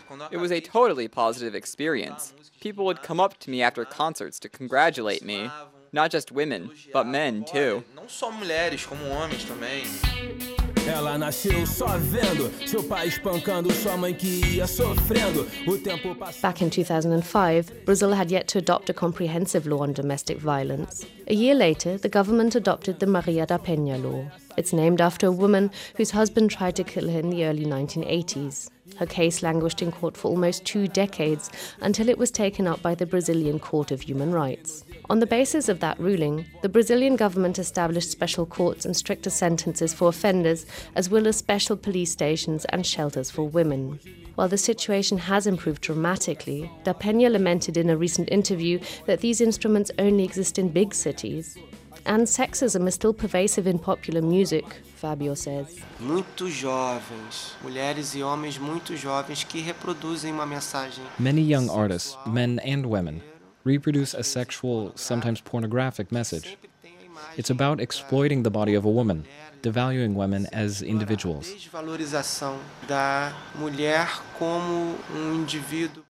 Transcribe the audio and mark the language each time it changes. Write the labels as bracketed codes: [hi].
[en] It was a totally positive experience. People would come up to me after concerts to congratulate me. Not just women, but men too. [pt] Não só mulheres, como homens também. Ela nasceu só vendo seu pai espancando sua mãe que ia sofrendo. O tempo passou. [en] Back in 2005, Brazil had yet to adopt a comprehensive law on domestic violence. A year later, the government adopted the Maria da Penha law. It's named after a woman whose husband tried to kill her in the early 1980s. Her case languished in court for almost 2 decades until it was taken up by the Brazilian Court of Human Rights. On the basis of that ruling, the Brazilian government established special courts and stricter sentences for offenders, as well as special police stations and shelters for women. While the situation has improved dramatically, Da Penha lamented in a recent interview that these instruments only exist in big cities. And sexism is still pervasive in popular music, Fabio says. [pt] Muito jovens, mulheres e homens muito jovens que reproduzem uma mensagem. [en] Many young artists, men and women, reproduce a sexual, sometimes pornographic message. It's about exploiting the body of a woman, devaluing women as individuals. [pt] Desvalorização da mulher como indivíduo.